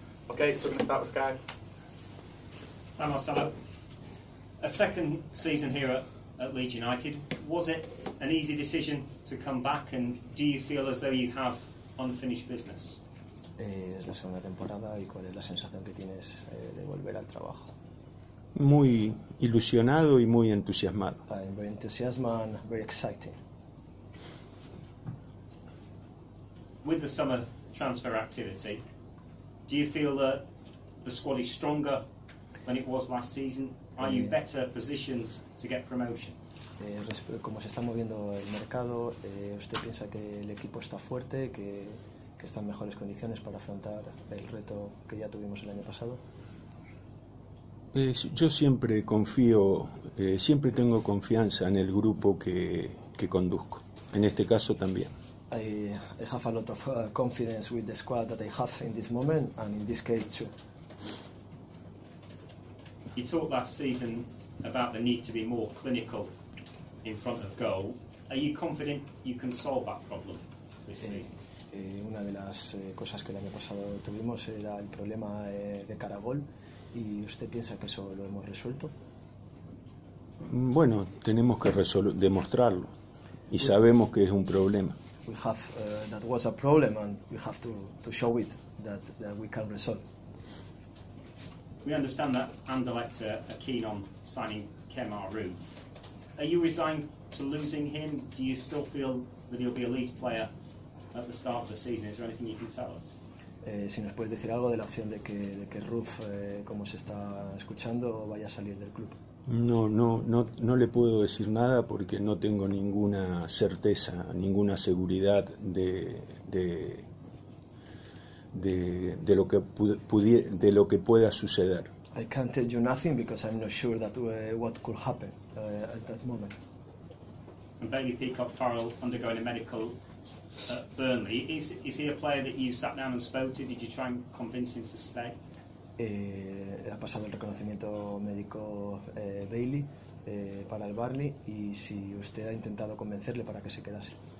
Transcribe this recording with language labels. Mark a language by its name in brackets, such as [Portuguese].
[English] Okay, so we're going to start with Sky. Hi Marcelo. A second season here at Leeds United. Was it an easy decision to come back, and do you feel as though you have unfinished business? [Spanish] Es la segunda temporada, y cuál es la sensación que tienes de volver al trabajo? Muy ilusionado y muy entusiasmado. [English] I'm very enthusiastic and very excited. With the summer transfer activity, do you feel that the squad is stronger than it was last season? Are you better positioned to get promotion? [Spanish] Como se está moviendo el mercado, ¿usted piensa que el equipo está fuerte, que están mejores condiciones para afrontar el reto que ya tuvimos el año pasado? Yo siempre confío, siempre tengo confianza en el grupo que conduzco. En este caso también. [English] I have a lot of confidence with the squad that I have in this moment and in this case too. You talked last season about the need to be more clinical in front of goal. Are you confident you can solve that problem this season? [Spanish] Una de las cosas que el año pasado tuvimos era el problema de cara a gol. ¿Y usted piensa que eso lo hemos resuelto? Bueno, tenemos que demostrarlo. Y sabemos que es un problema. [English] We have that was a problem and we have to show it that we can resolve. We understand that Anderlecht are keen on signing Kemar Roof. Are you resigned to losing him? Do you still feel that he'll be a Leeds player at the start of the season? Is there anything you can tell us? [Spanish] Si nos puedes decir algo de la opción de que Roof, como se está escuchando, vaya a salir del club. No le puedo decir nada porque no tengo ninguna certeza, ninguna seguridad de lo que pueda suceder. [English] I can't tell you nothing because I'm not sure that what could happen at that moment. And Bailey Peacock-Farrell undergoing a medical Burnley. Is he a player that you sat down and spoke to? Did you try and convince him to stay? [Spanish] Ha pasado el reconocimiento médico Bailey para el Burnley, y si usted ha intentado convencerle para que se quedase.